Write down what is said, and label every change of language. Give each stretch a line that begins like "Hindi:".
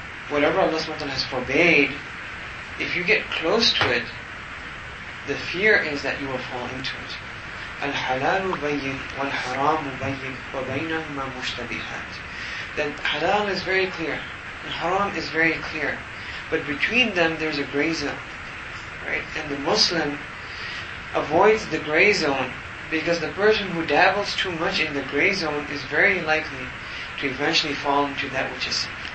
English: Whatever Allah subhanahu wa ta'ala has forbade, if you get close to it, the fear is that you will fall into it.
Arabic: الحلال بين والحرام بين وبينهما مشتبهات.
English: Then halal is very clear, and haram is very clear. But between them there's a gray zone. Right? And the Muslim avoids the gray zone because the person who dabbles too much in the gray zone is very likely to eventually fall into that which is sin.